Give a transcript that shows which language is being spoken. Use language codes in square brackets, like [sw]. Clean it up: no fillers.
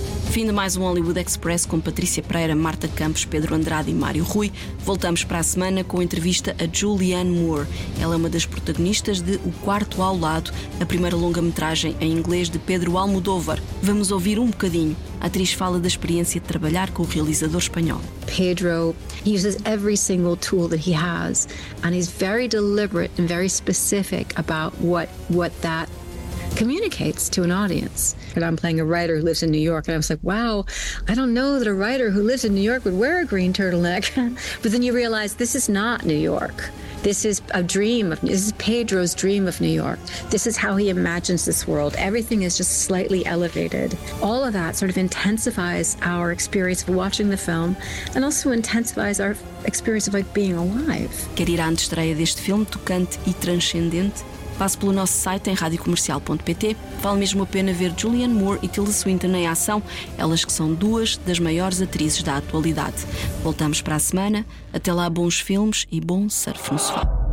[pt] Fim de mais um Hollywood Express com Patrícia Pereira, Marta Campos, Pedro Andrade e Mário Rui. Voltamos para a semana com a entrevista a Julianne Moore. Ela é uma das protagonistas de O Quarto ao Lado, a primeira longa-metragem em inglês de Pedro Almodóvar. Vamos ouvir um bocadinho. A atriz fala da experiência de trabalhar com o realizador espanhol. [en] Pedro uses every single tool that he has and is very deliberate and very specific about what that communicates to an audience. And I'm playing a writer who lives in New York, and I was like, wow, I don't know that a writer who lives in New York would wear a green turtleneck. But then you realize this is not New York. This is a dream of, this is Pedro's dream of New York. This is how he imagines this world. Everything is just slightly elevated. All of that sort of intensifies our experience of watching the film and also intensifies our experience of like being alive. [pt] Quer ir à antestreia deste filme tocante e transcendente? Passe pelo nosso site em radiocomercial.pt. Vale mesmo a pena ver Julianne Moore e Tilda Swinton em ação, elas que são duas das maiores atrizes da atualidade. Voltamos para a semana. Até lá, bons filmes e bom surf no sofá.